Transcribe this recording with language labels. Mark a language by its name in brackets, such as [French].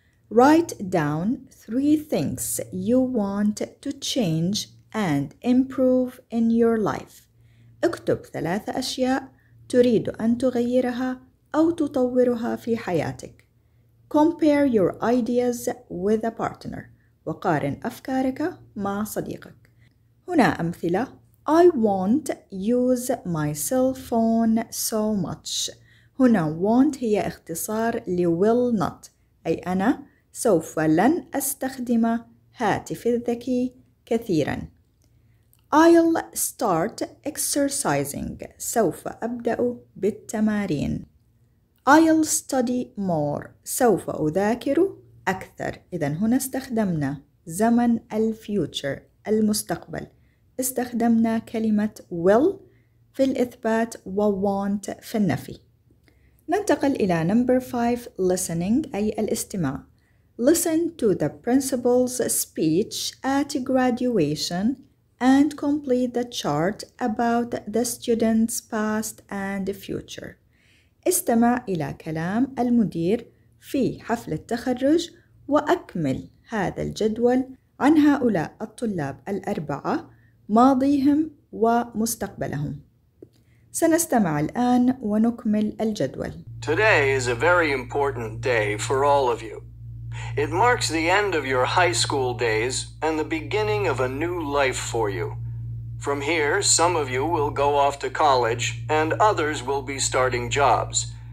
[English] Write down 3 things you want to change and improve in your life. [Arabic] اكتب 3 أشياء تريد أن تغيرها أو تطورها في حياتك. [English] Compare your ideas with a partner. [Arabic] وقارن أفكارك مع صديقك. هنا أمثلة: [English] I won't use my cell phone so much. [Arabic] هنا won't هي اختصار ل will not، أي أنا سوف لن أستخدم هاتفي الذكي كثيرا. [English] I'll start exercising. [Arabic] سوف أبدأ بالتمارين. [English] I'll study more. [Arabic] سوف أذاكر أكثر. إذن هنا استخدمنا زمن الفيوتشر المستقبل، استخدمنا كلمة will في الإثبات و want في النفي. ننتقل إلى number 5. listening، أي الاستماع. [English] Listen to the principal's speech at graduation and complete the chart about the student's past and future. [Arabic] استمع إلى كلام المدير في حفل التخرج وأكمل هذا الجدول عن هؤلاء الطلاب الأربعة، ماضيهم ومستقبلهم. سنستمع الآن ونكمل الجدول. [English] Today is a very important day for all of you. It marks the end of your high school days and the beginning of a new life for you. From here, some of you will go off to college and others will be starting jobs.